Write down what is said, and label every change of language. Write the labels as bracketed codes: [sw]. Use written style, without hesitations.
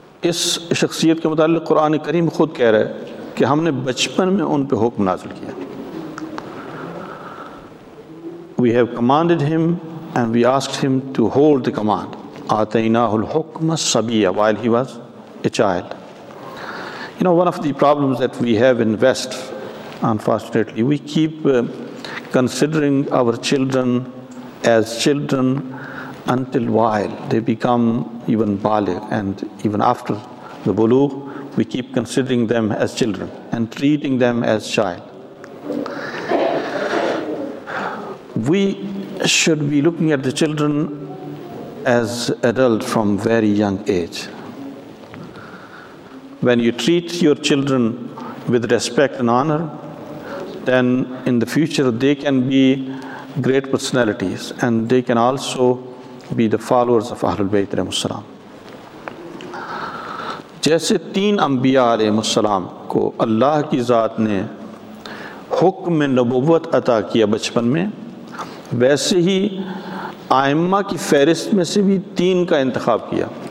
[ur] اس شخصیت کے متعلق قرآن کریم خود کہہ رہا ہے کہ ہم نے بچپن میں ان پہ حکم نازل کیا. [en] we have commanded him and we asked him to hold the command [ar] آتیناہ الحکم صبیا [en] While he was a child. You know one of the problems that we have in west unfortunately we keep considering our children as children until while they become even بالغ and even after the بلوغ we keep considering them as children and treating them as child. We should be looking at the children as adult from very young age. When you treat your children with respect and honour then in the future they can be great personalities and they can also be the followers of اہل البیت علیہم السلام. [ur] جیسے تین انبیاء علیہم السلام کو اللہ کی ذات نے حکم نبوت عطا کیا بچپن میں, ویسے ہی آئمہ کی فہرست میں سے بھی تین کا انتخاب کیا.